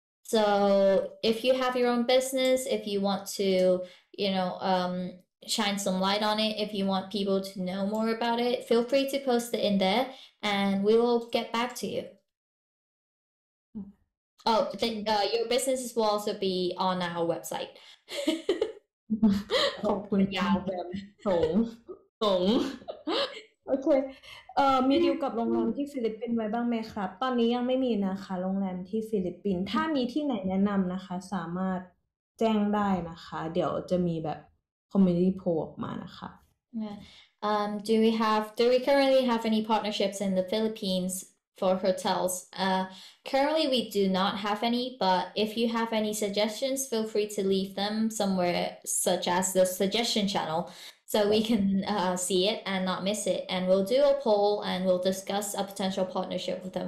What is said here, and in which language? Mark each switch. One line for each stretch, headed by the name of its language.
English: So if you have your own business, if you want to, you know, shine some light on it, if you want people to know more about it, feel free to post it in there and we will get back to you. Oh, then your businesses will also be on our website.
Thai: ขอบคุณยาวแบบสงโอเคมีดิวกับโรงแรมที่ฟิลิปปินส์ไว้บ้างไหมครับตอนนี้ยังไม่มีนะคะโรงแรมที่ฟิลิปปินส์ถ้ามีที่ไหนแนะนำนะคะสามารถแจ้งได้นะคะเดี๋ยวจะมีแบบคอมมูนิตี้โพลออกมานะคะ
English: Do we currently have any partnerships in the Philippines for hotels currently we do not have any but if you have any suggestions feel free to leave them somewhere such as the suggestion channel so we can see it and not miss it. And we'll do a poll and we'll discuss a potential partnership with them.